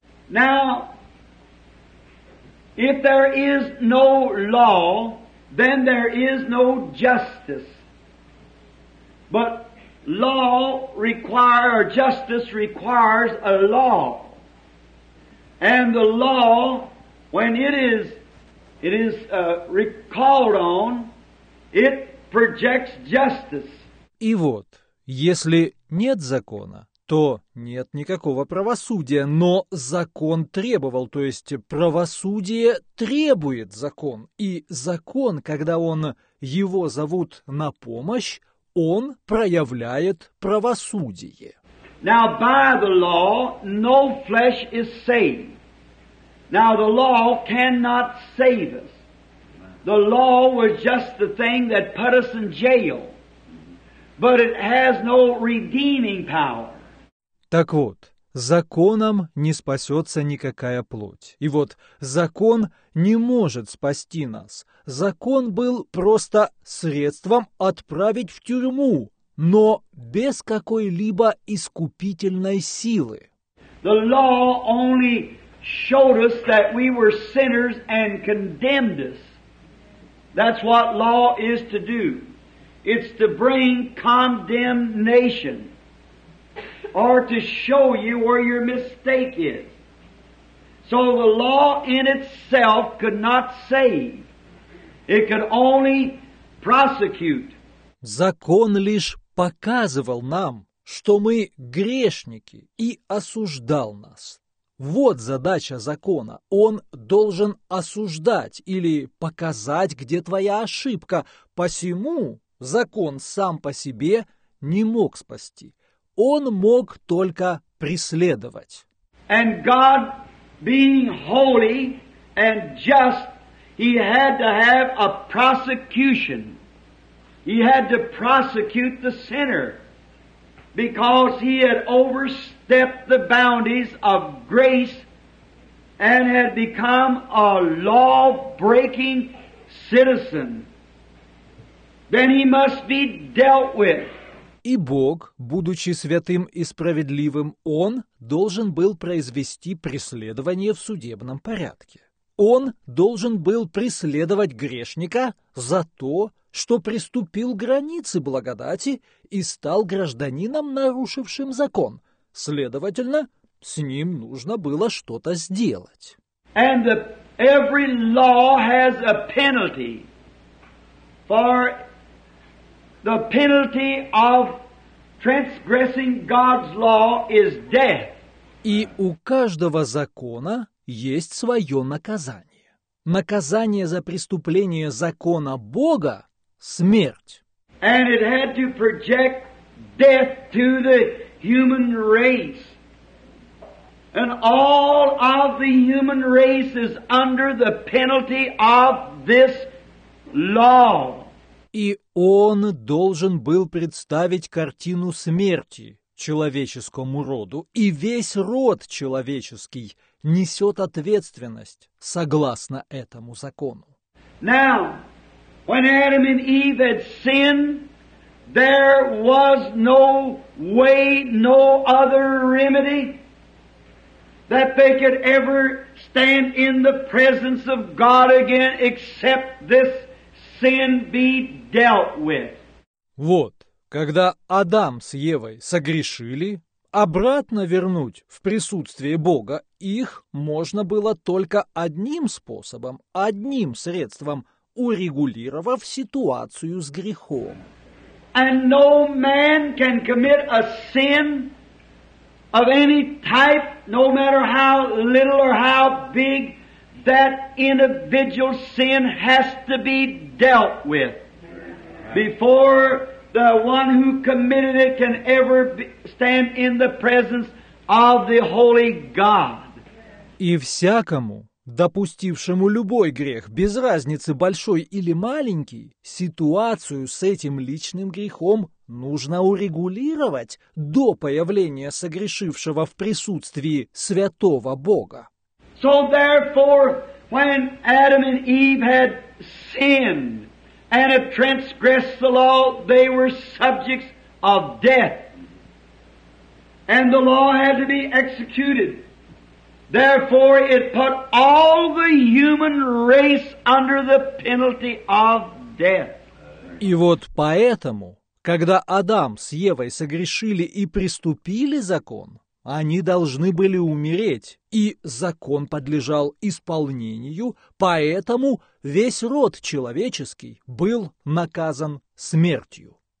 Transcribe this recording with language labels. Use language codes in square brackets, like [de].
[en] Now, if there is no law, then there is no justice. But law requires, or justice requires a law. And the law, when it is recalled on, it projects justice. [ru] И вот, если нет закона, то нет никакого правосудия, но закон требовал, то есть правосудие требует закон. И закон, когда он его зовут на помощь, он проявляет правосудие. [en] Now by the law, no flesh is saved. Now the law cannot save us. The law was just the thing that put us in jail. But it has no redeeming power. [ru] Так вот, законом не спасется никакая плоть. И вот закон не может спасти нас. Закон был просто средством отправить в тюрьму, но без какой-либо искупительной силы. [en] The law only showed us that we were sinners and condemned us. That's what law is to do. It's to bring condemnation. Or to show you where your mistake is. So the law in itself could not save. It could only prosecute. [ru] Закон лишь показывал нам, что мы грешники, и осуждал нас. Вот задача закона. Он должен осуждать или показать, где твоя ошибка. Посему закон сам по себе не мог спасти. Он мог только преследовать. [en] And God, being holy and just, he had to have a prosecution. He had to prosecute the sinner because he had overstepped the boundaries of grace and had become a law-breaking citizen. Then he must be dealt with. [ru] И Бог, будучи святым и справедливым, Он должен был произвести преследование в судебном порядке. Он должен был преследовать грешника за то, что преступил границы благодати и стал гражданином, нарушившим закон. Следовательно, с ним нужно было что-то сделать. [en] And every law has a penalty for the penalty of transgressing God's law is death. [ru] И у каждого закона есть свое наказание. Наказание за преступление закона Бога – смерть. [en] And it had to project death to the human race. And all of the human race is under the penalty of this law. [ru] И он должен был представить картину смерти человеческому роду, и весь род человеческий несет ответственность согласно этому закону. [en] Now, when Adam and Eve had sinned, there was no way, no other remedy that they could ever stand in the presence of God again except this sin be dealt with. [ru] Вот, когда Адам с Евой согрешили, обратно вернуть в присутствие Бога их можно было только одним способом, одним средством, урегулировав ситуацию с грехом. [en] And no man can commit a sin of any type, no matter how little or how big, that individual sin has to be dealt with before the one who committed it can ever stand in the presence of the holy God. [ru] И всякому, допустившему любой грех, без разницы большой или маленький, ситуацию с этим личным грехом нужно урегулировать до появления согрешившего в присутствии святого Бога. [en] So therefore, when Adam and Eve had sinned and had transgressed the law, they were subjects of death. And the law had to be executed. Therefore, it put all the human race under the penalty of death. [ru] И вот поэтому, когда Адам с Евой согрешили и преступили закон, Они должны были умереть, и закон подлежал исполнению, поэтому весь род человеческий был наказан смертью.